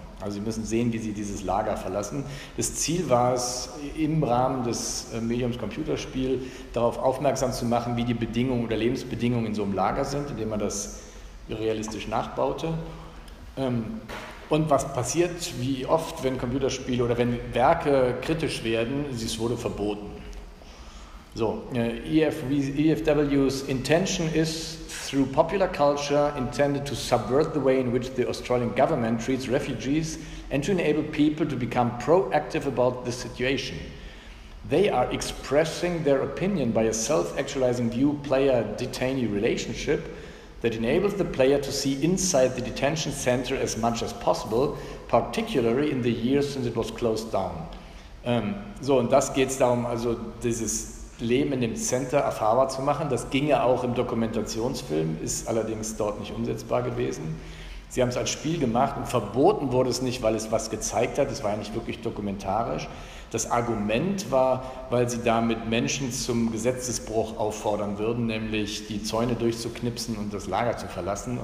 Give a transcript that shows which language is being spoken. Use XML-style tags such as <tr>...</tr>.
<de>Also sie müssen sehen, wie sie dieses Lager verlassen. Das Ziel war es, im Rahmen des Mediums Computerspiel darauf aufmerksam zu machen, wie die Bedingungen oder Lebensbedingungen in so einem Lager sind, indem man das realistisch nachbaute. Und was passiert, wie oft, wenn Computerspiele oder wenn Werke kritisch werden, es wurde verboten.</de> <en>So, EFW's intention is through popular culture intended to subvert the way in which the Australian government treats refugees and to enable people to become proactive about the situation. They are expressing their opinion by a self-actualizing view player-detainee relationship that enables the player to see inside the detention center as much as possible, particularly in the years since it was closed down.</en> <de>So, und das geht es darum, also dieses Leben in dem Center erfahrbar zu machen. Das ginge auch im Dokumentationsfilm, ist allerdings dort nicht umsetzbar gewesen. Sie haben es als Spiel gemacht und verboten wurde es nicht, weil es was gezeigt hat. Es war ja nicht wirklich dokumentarisch. Das Argument war, weil sie damit Menschen zum Gesetzesbruch auffordern würden, nämlich die Zäune durchzuknipsen und das Lager zu verlassen.</de>